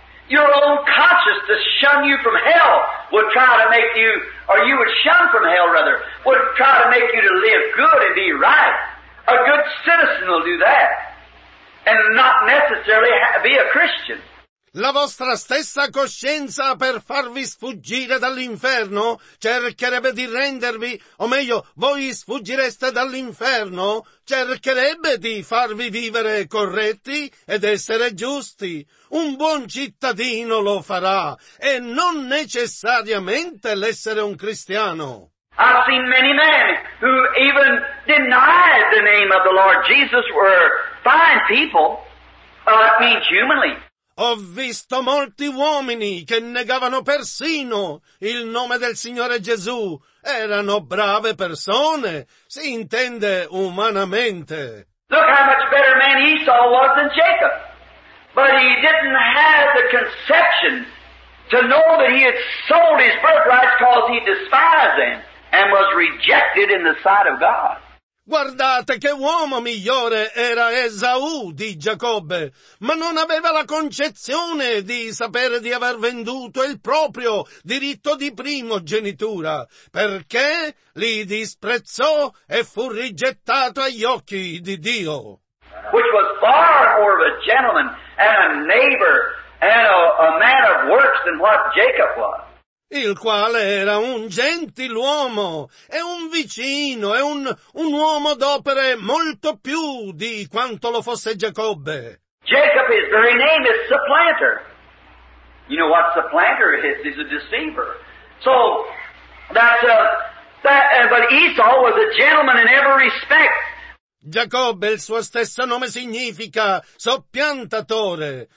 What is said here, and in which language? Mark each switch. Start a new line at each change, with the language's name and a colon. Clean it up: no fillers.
English: Your own conscience to shun you from hell would try to make you, or you would shun from hell rather, would try to make you to live good and be right. A good citizen will do that. And not necessarily be a Christian.
Italian: La vostra stessa coscienza, per farvi sfuggire dall'inferno, cercherebbe di rendervi, o meglio, voi sfuggireste dall'inferno, cercherebbe di farvi vivere corretti ed essere giusti. Un buon cittadino lo farà, e non necessariamente l'essere un cristiano.
English: I've seen many men who even denied the name of the Lord Jesus were fine people, that means humanly.
Italian: Ho visto molti uomini che negavano persino il nome del Signore Gesù. Erano brave persone, si intende umanamente.
English: Look how much better man Esau was than Jacob. But he didn't have the conception to know that he had sold his birthright because he despised them and was rejected in the sight of God.
Italian: Guardate che uomo migliore era Esaù di Giacobbe, ma non aveva la concezione di sapere di aver venduto il proprio diritto di primogenitura, perché li disprezzò e fu rigettato agli occhi di Dio.
English: Which was far more of a gentleman and a neighbor and a man of works than what Jacob was.
Italian: Il quale era un gentiluomo, e un vicino, e un uomo d'opere molto più di quanto lo fosse Giacobbe.
English: Jacob, his very name is supplanter. You know what supplanter is? He's a deceiver. So, but Esau was a gentleman in every respect.
Italian: Giacobbe, il suo stesso nome significa soppiantatore.